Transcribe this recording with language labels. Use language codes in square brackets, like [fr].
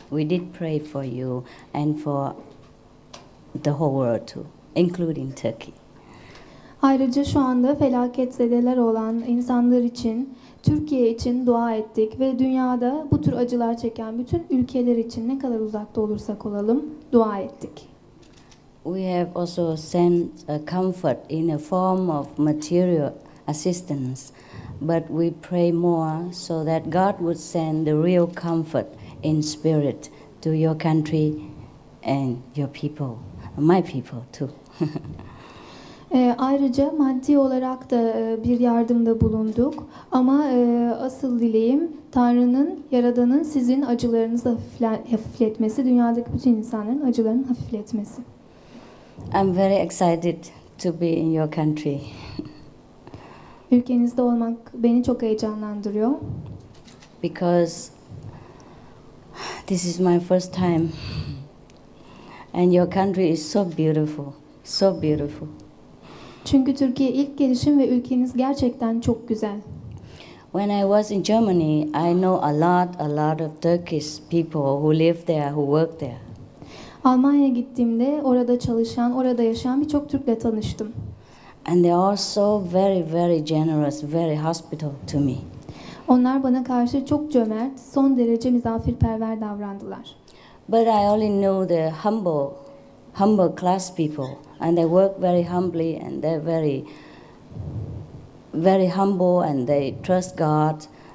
[en] We did pray for you and for the whole world too, including Turkey. [tr] Ayrıca şu anda felaket zedeler olan insanlar için, Türkiye için dua ettik ve dünyada bu tür acılar çeken bütün ülkeler için ne kadar uzakta olursak olalım dua ettik. [en] We have also sent a comfort in a form of material assistance, but we pray more so that God would send the real comfort in spirit to your country and your people, my people too. [tr] Ayrıca maddi olarak da bir yardımda bulunduk. Ama asıl dileğim Tanrı'nın, Yaradan'ın sizin acılarınızı hafifletmesi, dünyadaki bütün insanların acılarını hafifletmesi. [en] I'm very excited to be in your country. [tr] Ülkenizde olmak beni çok heyecanlandırıyor. [en] Because this is my first time. And your country is so beautiful, so beautiful. [tr] Çünkü Türkiye ilk gelişim ve ülkeniz gerçekten çok güzel. [en] When I was in Germany, I know a lot of Turkish people who live there, who work there. [tr] Almanya'ya gittiğimde orada çalışan, orada yaşayan birçok Türk'le tanıştım. [en] And they are so very very generous, very hospitable to me. [tr] Onlar bana karşı çok cömert, son derece misafirperver davrandılar. [en] But I only know the humble class people. And they work very humbly, and they're very, very humble, and they trust God.